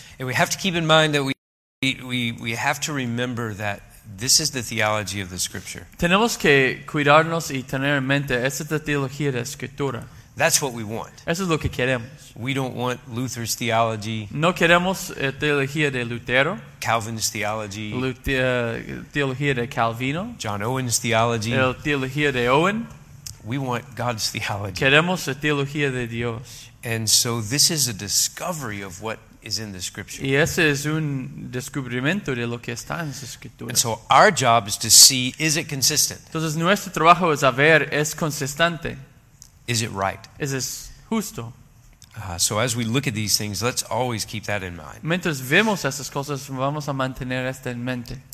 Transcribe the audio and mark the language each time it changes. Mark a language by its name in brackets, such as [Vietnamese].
[English] And we have to keep in mind that we have to remember that this is the theology of the Scripture. [Spanish] Tenemos que cuidarnos y tener en mente esta es la teología de la Escritura. [English] That's what we want. [Spanish] Eso es lo que queremos. [English] We don't want Luther's theology. [Spanish] No queremos teología de Lutero. [English] Calvin's theology. [Spanish] Teología de Calvino. [English] John Owen's theology. [Spanish] El teología de Owen. [English] We want God's theology. [Spanish] Queremos la teología de Dios. [English] And so this is a discovery of what is in the Scripture. [Spanish] Y ese es un descubrimiento de lo que está en las Escrituras. [English] And so our job is to see, is it consistent? [Spanish] Entonces nuestro trabajo es a ver, ¿es consistente? [English] Is it right? [Spanish] ¿Es justo? [English] So as we look at these things, let's always keep that in mind. [Spanish] Mientras vemos estas cosas, vamos a mantener esto en mente.